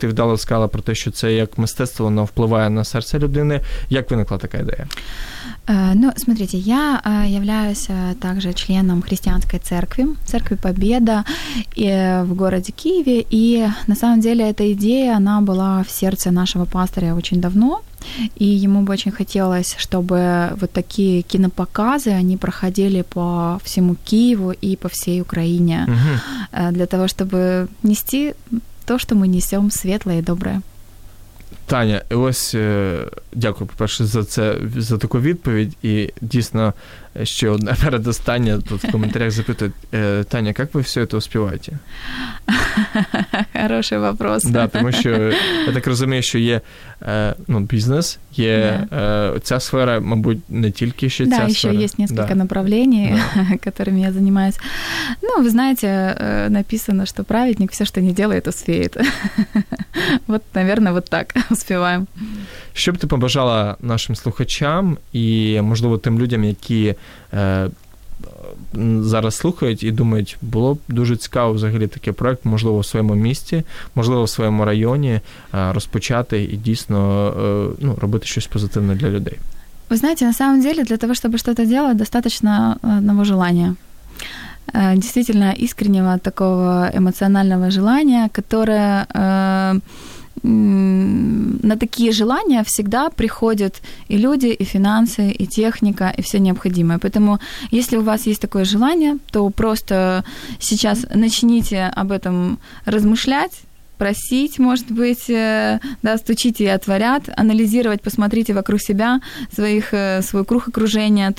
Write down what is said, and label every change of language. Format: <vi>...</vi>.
<uk>І ти вдало сказала про те, що це як мистецтво, воно впливає на серце людини. Як виникла така ідея?</uk> <ru>Ну, смотрите, я являюсь также членом христианской церкви, церкви Победа в городе Киеве, и на самом деле эта идея, она была в сердце нашего пастора очень давно, и ему бы очень хотелось, чтобы вот такие кинопоказы, они проходили по всему Киеву и по всей Украине, для того, чтобы нести то, что мы несем, светлое и доброе.</ru> <uk>Таня, і ось дякую, по-перше, за таку відповідь. І дійсно, ще одне передостання тут в коментарях запитують. Таня, як ви все це співаєте?</uk> <ru>Хороший вопрос.</ru> <uk>Да, тому що я так розумію, що є бізнес, є ця сфера, мабуть, не тільки ще ця сфера. Да, ще є кілька направлень, якими я займаюся. Ну, ви знаєте, написано, що праведник все, що не робить, то успіє.</uk> <ru>Вот, наверное, вот так успеваем.</ru> <uk>Що б ти побажала нашим слухачам і, можливо, тим людям, які зараз слухають і думають, було б дуже цікаво взагалі такий проект, можливо, в своєму місті, можливо, в своєму районі розпочати і дійсно робити щось позитивне для людей? Ви знаєте,</uk> <ru>на самом деле,</ru> <uk>для того, щоб щось робити, достатньо одного желання.</uk> <ru>Действительно искреннего такого эмоционального желания, которое на такие желания всегда приходят и люди, и финансы, и техника, и все необходимое. Поэтому, если у вас есть такое желание, то просто сейчас начните об этом размышлять, просить, может быть, да, стучите и отворят, анализировать, посмотрите вокруг себя, свой круг окружения.</ru>